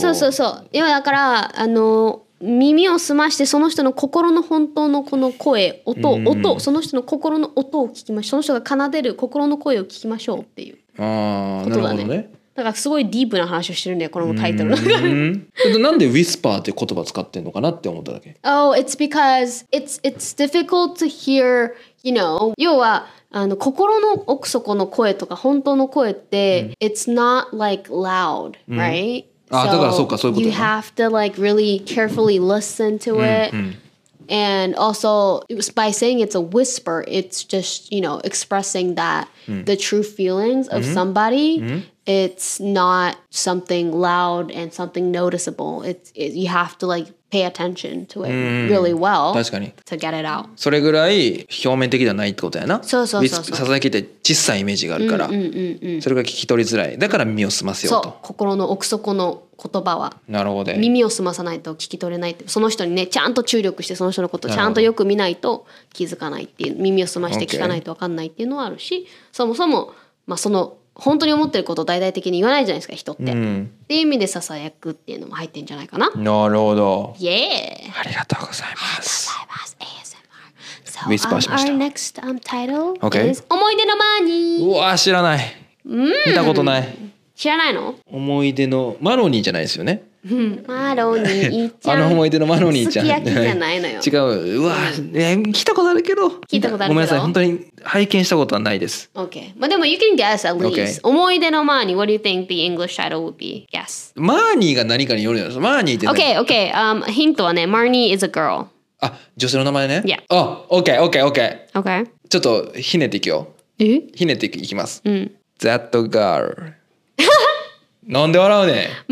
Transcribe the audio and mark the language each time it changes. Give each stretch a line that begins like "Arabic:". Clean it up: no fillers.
Japanese: そうそうそう、要はだから耳を澄ましてその人の心の本当のこの声、音、うん、音、その人の心の音を聞きましょう、その人が奏でる心の声を聞きましょうっていう、あーなるほどね、だからすごいディープな話をしてるんだよこのタイトルの中で。なんでウィスパーって言葉使ってんのかなって思っただけ。
English: Oh, it's because it's difficult to hear, you know.
Japanese: 要は心の奥底の声とか本当の声って、うん、 it's not like loud, right? うん、あ、だからそうか、そういうこと。
English: You have to like really carefully listen to it. And also, by saying it's a whisper, it's just, you know, expressing that the true feelings of somebody, it's not something loud and something noticeable. You have to like pay attention to it really well.
Japanese: 確かに。
English: To get it out.
Japanese: それぐらい表面的ではないってことやな。そうそうそうそう。ささやきって小さいイメージがあるから、それが聞き取りづらい。だから耳を澄ませようと。そう、心の奥底の言葉は。なるほど。耳を澄まさないと聞き取れないって。その人にね、ちゃんと注力してその人のことをちゃんとよく見ないと気づかないっていう。耳を澄まして聞かないと分かんないっていうのはあるし、そもそも、まあ、その本当に思ってることを大々的に言わないじゃないですか人って、っていう意味でささやくっていうのも入ってんじゃないかな。なるほど。
English: Yeah.
Japanese: ありがとうございます。ありがとうございます。 ASMR。So, ウィスパーしました。 Our next title、okay. is 思い出のマーニー。うわー知らない、見たことない。知らないの？思い出のマロニーじゃないですよね。マロニーちゃん。あの思い出のマロニーちゃん。すき焼きじゃないのよ。違う。うわ、来たことあるけど。聞いたことあるけど。ごめんなさい、本当に拝見したことはないです。
English: OK。まあでも、 You can guess at least、okay. 思い出のマーニー。What do you think the English title would be? Guess。
Japanese: マーニーが何かによるよ。マーニーって。 OK、OK、ヒントはね、マーニー is a girl。あ、女性の名前ね。
English: Yeah。あ、OK、OK、OK。 OK。
Japanese: ちょっとひねっていくよ。え？ひねっていきます。うん。 That girl。なんで笑うねん。